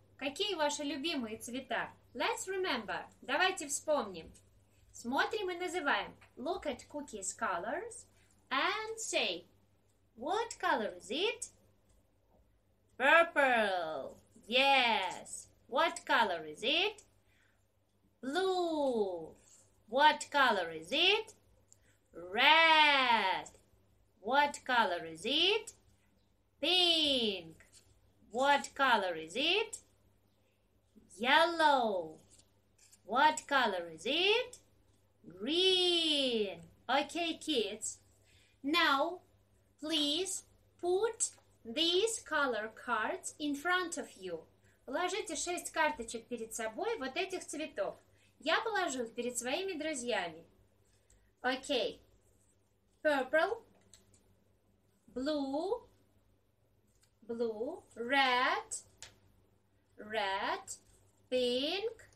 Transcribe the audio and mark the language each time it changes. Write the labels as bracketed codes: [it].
[ru] Какие ваши любимые цвета? [en] Let's remember. [ru] Давайте вспомним. Смотрим и называем. [en] Look at Cookie's colors and say, what color is it? Purple, yes. What color is it? Blue. What color is it? Red. What color is it? Pink. What color is it? Yellow. What color is it? Green. Okay, kids. Now, please put these color cards in front of you. [ru] Положите 6 карточек перед собой вот этих цветов. Я положу их перед своими друзьями. [en] Okay. Purple. Blue. Blue. Red. Red. Pink.